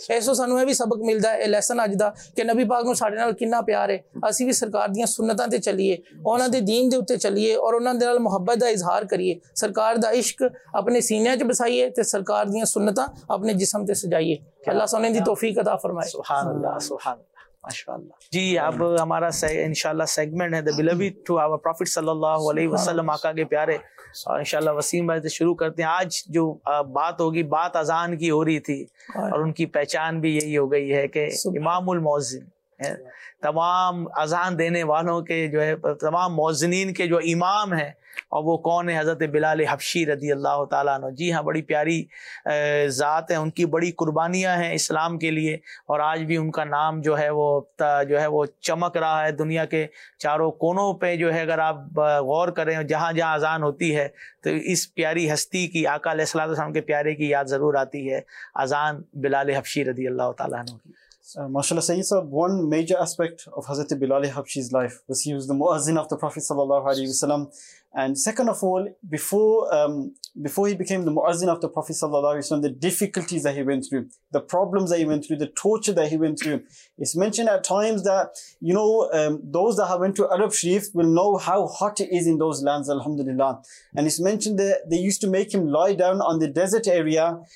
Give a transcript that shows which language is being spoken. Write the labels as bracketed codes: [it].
[pa] ایسو سانوں بھی سبق ملدا ہے اے لیسن اج دا کہ نبی پاک نوں ساڈے نال کنا پیار ہے اسی بھی سرکار دیاں سنتاں تے چلیے انہاں دے دین دے اتے چلیے اور انہاں دے نال محبت دا اظہار کریے سرکار دا عشق اپنے سینے چ بسائیے تے سرکار دیاں سنتاں اپنے جسم تے سجائیے اللہ سنے دی توفیق عطا فرمائے [ur] سبحان اللہ سبحان اللہ ماشاءاللہ جی اب ہمارا انشاءاللہ سیگمنٹ ہے [en] the beloved to our prophet [ur] صلی اللہ علیہ وسلم آقا کے پیارے اور انشاءاللہ وسیم بھائی سے شروع کرتے ہیں آج جو بات ہوگی بات اذان کی ہو رہی تھی اور ان کی پہچان بھی یہی ہو گئی ہے کہ امام المؤذن تمام اذان دینے والوں کے جو ہے تمام مؤذنین کے جو امام ہیں اور وہ کون ہے؟ حضرت بلال حبشی رضی اللہ تعالیٰ عنہ. جی ہاں, بڑی پیاری ذات ہیں, ان کی بڑی قربانیاں ہیں اسلام کے لیے, اور آج بھی ان کا نام جو ہے وہ چمک رہا ہے دنیا کے چاروں کونوں پہ. جو ہے اگر آپ غور کریں جہاں جہاں اذان ہوتی ہے تو اس پیاری ہستی کی, آقا علیہ الصلاۃ والسلام کے پیارے کی یاد ضرور آتی ہے, اذان بلال حبشی رضی اللہ تعالیٰ عنہ کی. [en] MashaAllah, Sayyid Sahib, one major aspect of Hazrat Bilal Habshi's life was he was the muazzin of the Prophet sallallahu alaihi wasallam, and second of all, before he became the muazzin of the Prophet sallallahu alaihi wasallam, the difficulties that he went through, the problems that he went through, the torture that he went through, it's mentioned at times that, you know, those that have went to Arab Sharif will know how hot it is in those lands, alhamdulillah, and it's mentioned that they used to make him lie down on the desert area.